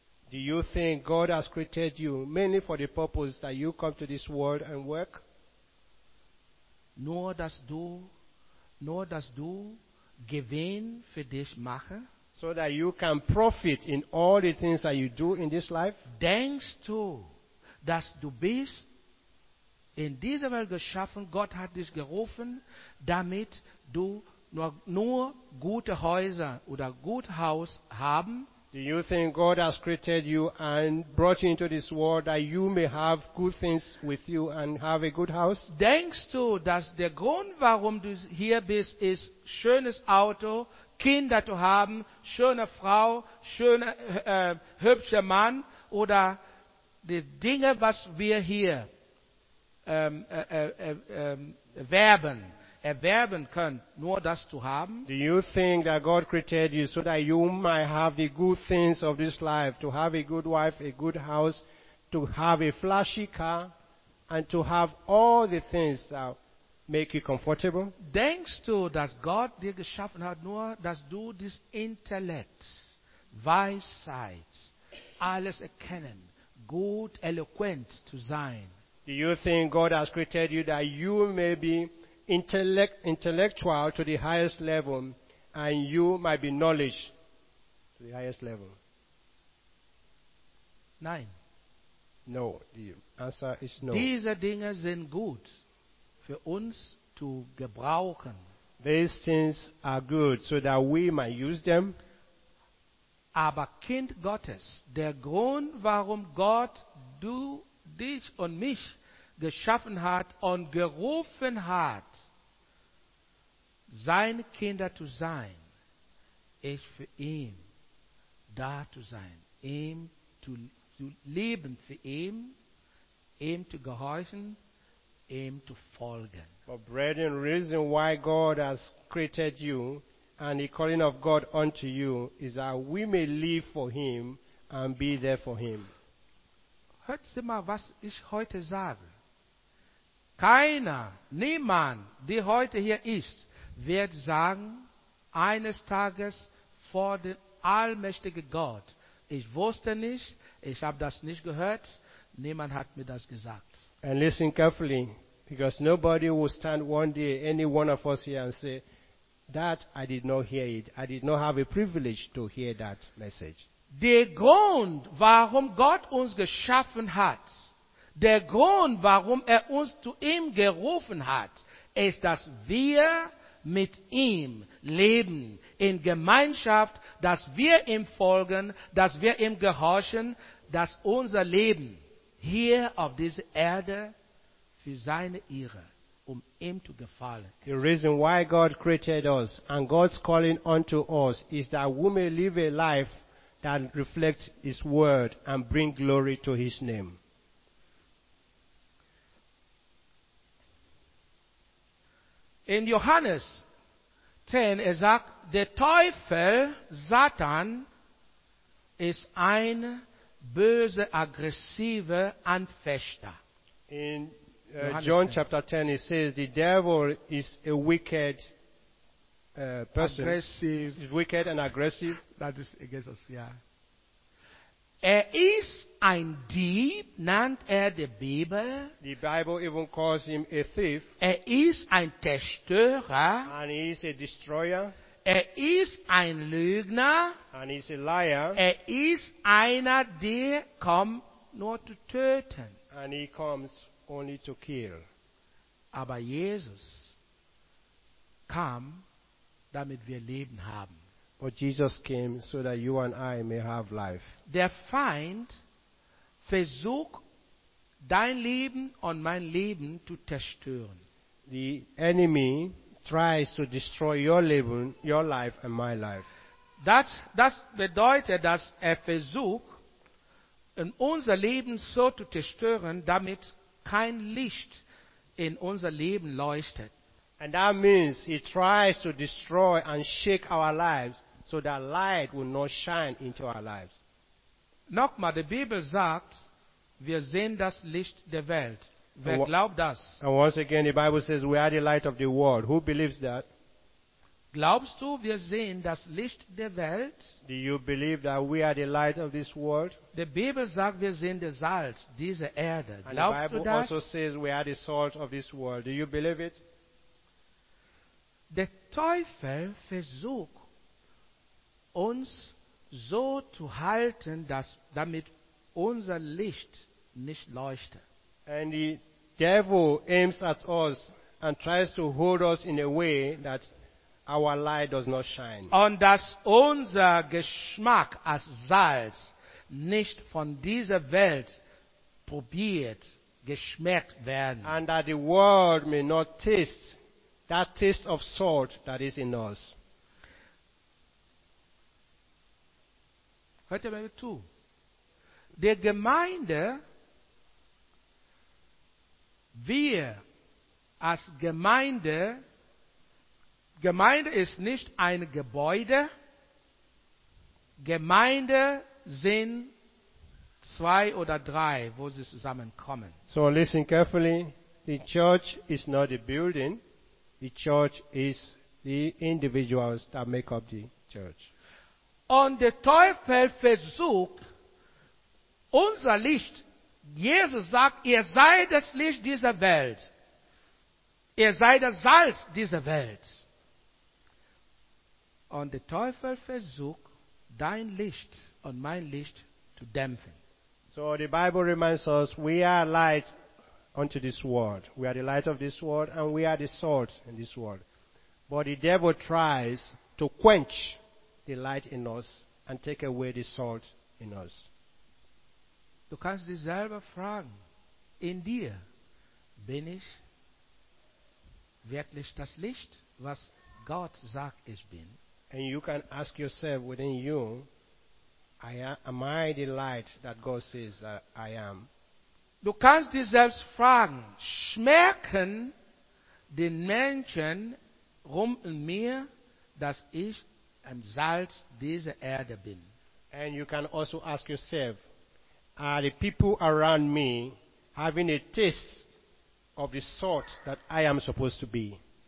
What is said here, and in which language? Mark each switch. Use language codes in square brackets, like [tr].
[en] Do you think God has created you mainly for the purpose that you come to this world and work? [de] Nur dass du Gewinn für dich mache? [en] So that you can profit in all the things that you do in this life? [de] Denkst du, dass du bist in dieser Welt geschaffen, Gott hat dich gerufen, damit du nur gute Häuser oder gut Haus haben [en] Do you think God has created you and brought you into this world that you may have good things with you and have a good house? [de] Denkst du, dass der Grund, warum du hier bist, ist schönes Auto, Kinder zu haben, schöne Frau, schöner hübscher Mann oder die Dinge, was wir hier erwerben können, nur das zu haben? [en] Do you think that God created you so that you might have the good things of this life, to have a good wife, a good house, to have a flashy car, and to have all the things that make you comfortable? [de] Denkst du, dass Gott dir geschaffen hat, nur dass du dieses Intellekt, Weisheit, alles erkennen, gut, eloquent zu sein? [en] Do you think God has created you that you may be intellectual to the highest level and you might be knowledge to the highest level? [de] Nein. [en] No, the answer is no. [de] Diese Dinge sind gut für uns zu gebrauchen. [en] These things are good so that we might use them. [de] Aber Kind Gottes, der Grund, warum Gott du, dich und mich geschaffen hat und gerufen hat, seine Kinder zu sein, ist für ihn da zu sein, ihm zu leben, für ihn, ihm zu gehorchen, ihm zu folgen. [en] But brethren, reason why God has created you and the calling of God unto you is that we may live for him and be there for him. [de] Hört sie mal, was ich heute sage. Keiner, niemand, der heute hier ist, wird sagen, eines Tages vor dem allmächtigen Gott, ich wusste nicht, ich habe das nicht gehört, niemand hat mir das gesagt. [en] And listen carefully, because nobody will stand one day, any one of us here, and say, that I did not hear it, I did not have a privilege to hear that message. [de] Der Grund, warum Gott uns geschaffen hat, der Grund, warum uns zu ihm gerufen hat, ist, dass wir mit ihm leben, in Gemeinschaft, dass wir ihm folgen, dass wir ihm gehorchen, dass unser Leben hier auf dieser Erde für seine Ehre, um ihm zu gefallen. [en] The reason why God created us and God's calling unto us is that we may live a life that reflects his word and bring glory to his name. [de] In Johannes 10, er sagt, der Teufel, Satan, ist ein böse, aggressiver Anfechter. [en] In John 10. Chapter 10, he says, the devil is a wicked person. Aggressive. He's wicked and aggressive. That is against us, yeah. [de] Er ist ein Dieb, nennt er die Bibel. [en] The Bible even calls him a thief. [de] Er ist ein Zerstörer. [en] And he is a destroyer. [de] Er ist ein Lügner. [en] And he is a liar. [de] Er ist einer, der kommt nur zu töten. [en] And he comes only to kill. [de] Aber Jesus kam, damit wir Leben haben. [en] But Jesus came so that you and I may have life. [de] Der Feind versucht, dein Leben und mein Leben zu zerstören. [en] The enemy tries to destroy your Leben, your life and my life. [de] Das bedeutet, dass versucht, in unser Leben so zu zerstören, damit kein Licht in unser Leben leuchtet. [en] And that means he tries to destroy and shake our lives, so that light will not shine into our lives. [de] Nochmal, die Bibel sagt, wir sind das Licht der Welt. Wer glaubt das? [en] And once again, the Bible says, we are the light of the world. Who believes that? [de] Glaubst du, wir sind das Licht der Welt? [en] Do you believe that we are the light of this world? [de] Die Bibel sagt, wir sind das Salz dieser Erde. Glaubst du das? [en] And the Bible also says, we are the salt of this world. Do you believe it? [de] Der Teufel versucht, uns so zu halten, dass damit unser Licht nicht leuchtet. [en] And the devil aims at us and tries to hold us in a way that our light does not shine. [de] Und dass unser Geschmack als Salz nicht von dieser Welt probiert, geschmeckt werden. [en] And that the world may not taste that taste of salt that is in us. [de] Hört ihr mir zu? Der Gemeinde, wir als Gemeinde, Gemeinde ist nicht ein Gebäude. Gemeinde sind zwei oder drei, wo sie zusammenkommen. [en] So listen carefully. The church is not a building. The church is the individuals that make up the church. [de] Und der Teufel versucht, unser Licht, Jesus sagt, ihr seid das Licht dieser Welt. Ihr seid das Salz dieser Welt. Und der Teufel versucht, dein Licht und mein Licht zu dämpfen. [en] So the Bible reminds us, we are light unto this world. We are the light of this world and we are the salt in this world. But the devil tries to quench the light in us and take away the salt in us. [de] Du kannst dich selber fragen, in dir bin ich wirklich das Licht, was Gott sagt, ich bin. [en] And you can ask yourself within you, am I the light that God says that I am? [de] Du kannst dich selbst fragen, schmecken den Menschen rum in mir, dass ich ein Salz dieser Erde bin? [en] And you can also ask yourself, are the people around me having a taste of the salt that I am supposed to be?